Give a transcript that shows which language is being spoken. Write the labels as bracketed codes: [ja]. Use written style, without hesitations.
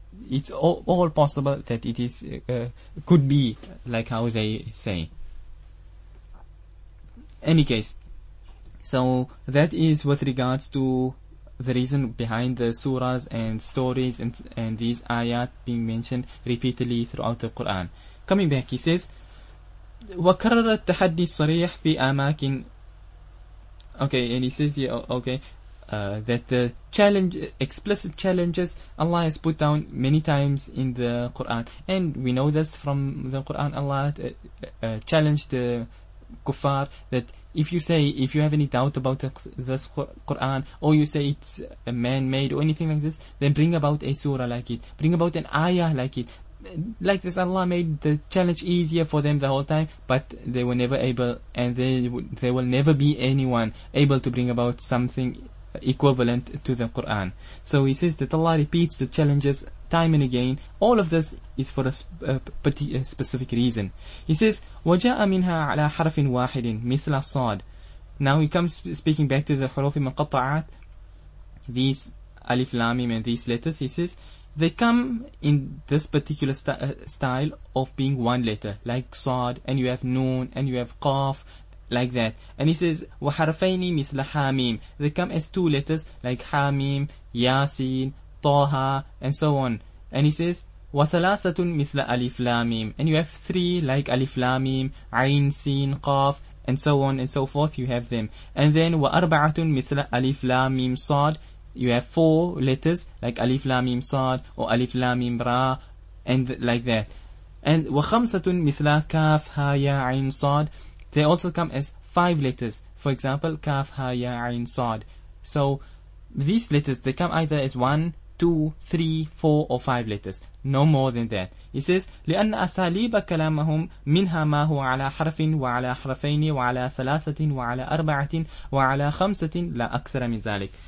[en] it's all possible that it is could be like how they say. Any case, so that is with regards to the reason behind the surahs and stories and these ayat being mentioned repeatedly throughout the Quran. Coming back, he says, [ar] وكرر التحدي الصريح في أماكن. [en] Okay, and he says here, okay, that the challenge, explicit challenges, Allah has put down many times in the Quran, and we know this from the Quran. Allah challenged the kuffar that if you say, if you have any doubt about this Quran, or you say it's man-made or anything like this, then bring about a surah like it, bring about an ayah like it. Like this, Allah made the challenge easier for them the whole time, but they were never able, and they will never be anyone able to bring about something equivalent to the Quran. So he says that Allah repeats the challenges time and again. All of this is for a specific reason. He says, [ar] وَجَاءَ مِنْهَا عَلَى حَرَفٍ وَاحِدٍ مِثْلَ صَاد. [en] Now he comes speaking back to the حُرُوفِ مَقَطَعَات, these alif lamim and these letters. He says, they come in this particular style of being one letter, like صاد, and you have noon, and you have قاف, like that. And he says, [ar] وَحَرَفَيْنِ مِثْلَ حَامِيم. [en] They come as two letters, like حَامِيم, يَاسِين, طَهَا, and so on. And he says, [ar] وَثَلَاثَةٌ مِثْلَ أَلِفْ لَامِيم. [en] And you have three, like أَلِفْ لَامِيم, عَيْن, سِين, قَاف, and so on and so forth, you have them. And then, [ar] وَأَرْبَعَةٌ مِثْلَ أَلِفْ لَامِيم صَاد. [en] You have four letters, like أَلِفْ لَامِيم صَاد, or أَلِفْ لَامِيم رَا, and like that. [ar] And وَخَمْسَةٌ مِثْلَ كَاف, هَا, يَا, عَيْن, صَاد. [en] They also come as five letters. For example, Kaf, Ha, Ya, Ain, Sad. So, these letters, they come either as one, two, three, four, or five letters. No more than that. He says, [ar] لِأَنَّ أَسَالِيبَ كَلَامَهُمْ مِنْهَا مَا هُوَ عَلَى حَرَفٍ وَعَلَى حَرَفَيْنِ وَعَلَى ثَلَاثَةٍ وَعَلَى أَرْبَعَةٍ وَعَلَى خَمْسَةٍ لَا أَكْثَرَ مِنْ ذَلِكَ.